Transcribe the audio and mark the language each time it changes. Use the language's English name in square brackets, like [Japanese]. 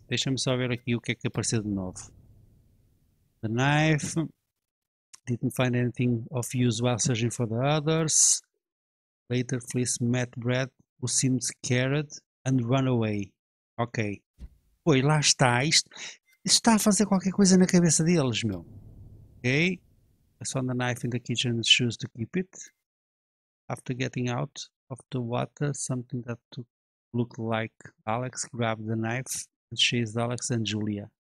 [Portuguese] Deixa-me só ver aqui o que é que apareceu de novo. [English] The knife. Didn't find anything of use while searching for the others. Later, Fleece met Brad, who seemed scared, and run away. [Portuguese] Ok. Pois, lá está. Isto está a fazer qualquer coisa na cabeça deles, meu. Ok. [English] I saw the knife in the kitchen and chose to keep it. After getting out of the water, something that took looked like Alex grabbed the knife and chased Alex and Julia.